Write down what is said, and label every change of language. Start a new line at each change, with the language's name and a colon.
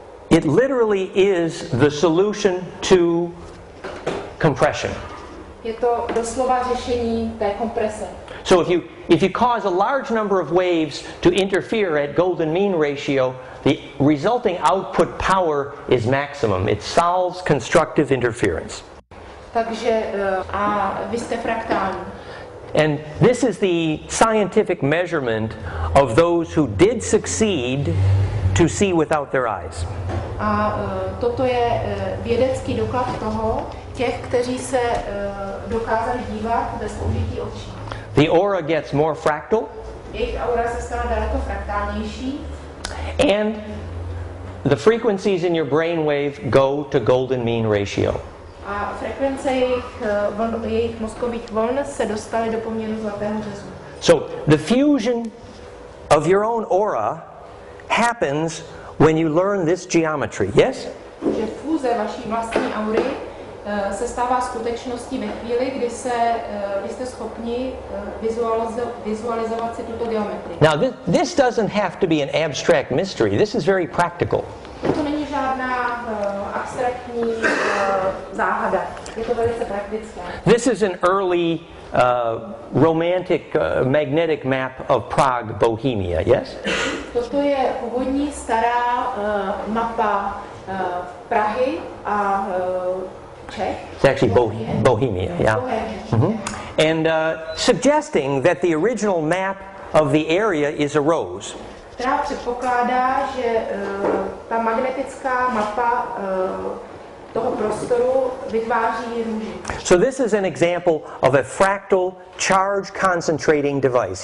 English: It literally is the solution to compression.
Czech: Je to doslova řešení té komprese.
English: So if you cause a large number of waves to interfere at golden mean ratio, the resulting output power is maximum. It solves constructive interference.
Czech: Takže a vy jste fraktální.
English: And this is the scientific measurement of those who did succeed to see without their eyes.
Czech: A toto je vědecký doklad toho, těch, kteří se dokázali dívat bez použití očí.
English: The aura gets more fractal.
Czech: Jejich aura se stala daleko fraktálnější.
English: And the frequencies in your brain wave go to golden mean ratio.
Czech: A frekvence jejich mozkových vln se dostaly do poměru zlatého řezu.
English: So the fusion of your own aura happens when you learn this geometry, yes?
Czech: Že fúze vaší vlastní aury se stává skutečností ve chvíli, kdy se jste schopni vizualizovat si tuto geometrii.
English: Now this doesn't have to be an abstract mystery. This is very practical.
Czech: To není žádná abstraktní záhada. Je to velice praktické.
English: This is an early romantic magnetic map of Prague, Bohemia, yes?
Czech: Toto je původní stará mapa Prahy a Czech.
English: It's actually Bohemia, yeah. Mm-hmm. And suggesting that the original map of the area is a rose.
Czech: Která předpokládá, že ta magnetická mapa toho prostoru vytváří růži.
English: So this is an example of a fractal charge concentrating device.